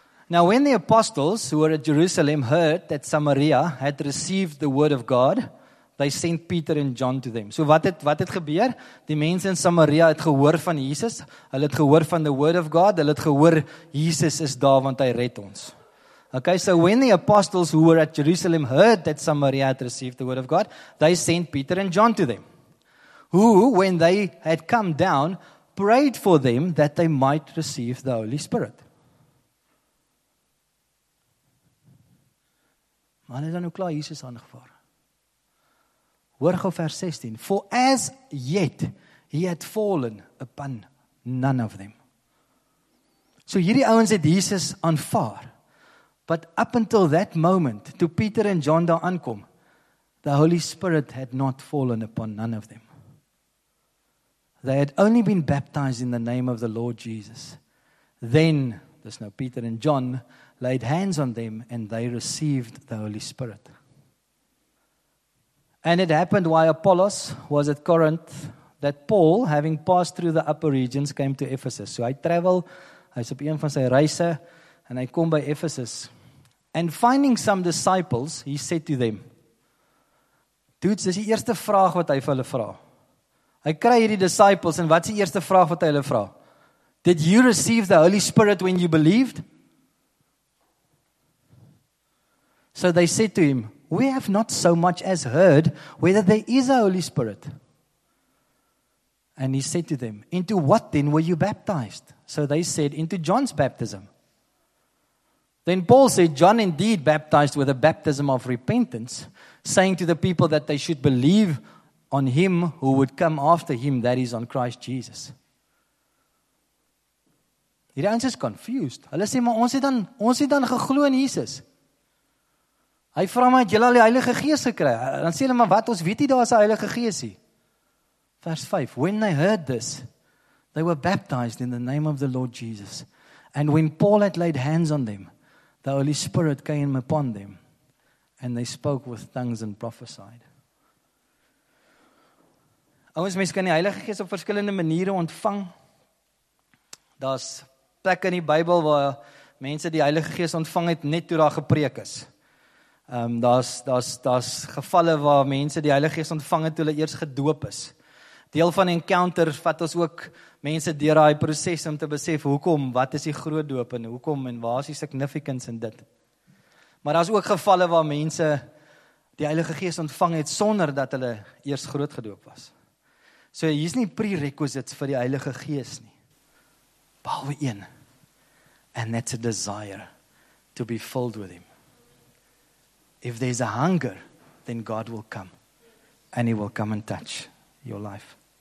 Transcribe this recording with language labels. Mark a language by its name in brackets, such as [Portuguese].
[English] Now when the apostles who were at Jerusalem heard that Samaria had received the word of God, they sent Peter and John to them. So [Afrikaans] wat het gebeur? Die mense in Samaria het gehoor van Jesus. Hulle het gehoor van [English] the word of God. [Afrikaans] Hulle het gehoor Jesus is daar want hy red ons. [English] Okay, so when the apostles who were at Jerusalem heard that Samaria had received the word of God, they sent Peter and John to them, who, when they had come down, prayed for them that they might receive the Holy Spirit. [Afrikaans] Maar hulle het dan ook klaar Jesus aangevaar. Hoor gou vers 16. [English] For as yet he had fallen upon none of them. [Afrikaans] So hierdie ouens het Jesus aanvaar. [English] But up until that moment, to Peter and John [Afrikaans] daar aankom, [English] the Holy Spirit had not fallen upon none of them. They had only been baptized in the name of the Lord Jesus. Then, there's now Peter and John, laid hands on them and they received the Holy Spirit. And it happened while Apollos was at Corinth, that Paul, having passed through the upper regions, came to Ephesus. So I travel, [Afrikaans] hy's op een van sy reise, [English] and [Afrikaans] hy kom by Ephesus. [English] And finding some disciples, he said to them. [Afrikaans] Dudes, dis die eerste vraag wat hy vir hulle vra. Hy kry hierdie disciples en wat's die eerste vraag wat hy hulle vra? [English] Did you receive the Holy Spirit when you believed? So they said to him, we have not so much as heard whether there is a Holy Spirit. And he said to them, into what then were you baptized? So they said, into John's baptism. Then Paul said, John indeed baptized with a baptism of repentance, saying to the people that they should believe on him who would come after him, that is on Christ Jesus. [Afrikaans] Hierdie ouens is confused. Hulle sê, maar ons het dan geglo in Jesus. Hy vra my, het julle al die Heilige Gees gekry? Dan sê hulle, maar wat, ons weet nie daar is 'n Heilige Gees nie. Vers 5, [English] when they heard this, they were baptized in the name of the Lord Jesus. And when Paul had laid hands on them, the Holy Spirit came upon them and they spoke with tongues and prophesied. [Afrikaans] Ouens, mense kan die Heilige Gees op verskillende maniere ontvang. Daar's plekke in die Bybel waar mense die Heilige Gees ontvang het net toe daar gepreek is. Daar's gevalle waar mense die Heilige Gees ontvang het toe hulle eers gedoop is. Deel van encounter vat ons ook mense deur daai proses om te besef hoekom, wat is die groot doop en hoekom en waar is die significance in dit. Maar daar's ook gevalle waar mense die Heilige Gees ontvang het sonder dat hulle eers groot gedoop was. So hier's nie prerequisites vir die Heilige Gees nie. Behalwe een. [English] And that's a desire to be filled with him. If there's a hunger, then God will come. And he will come and touch your life.